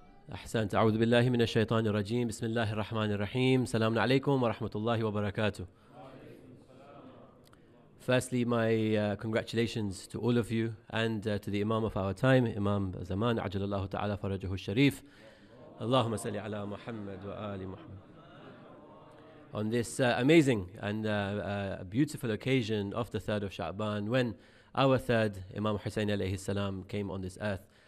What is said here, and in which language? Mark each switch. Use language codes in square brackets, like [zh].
[ar] أحسنت أعوذ بالله من الشيطان الرجيم بسم الله الرحمن الرحيم سلام عليكم ورحمة الله وبركاته. [en] Firstly, my congratulations to all of you and to the Imam of our time, Imam Zaman, [ar] عجل الله تعالى فرجه الشريف. اللهم صل على محمد وآل محمد. [en] On this amazing and beautiful occasion of the third of Sha'ban, when our third Imam Hussain [ar] عليه السلام [en] came on this earth.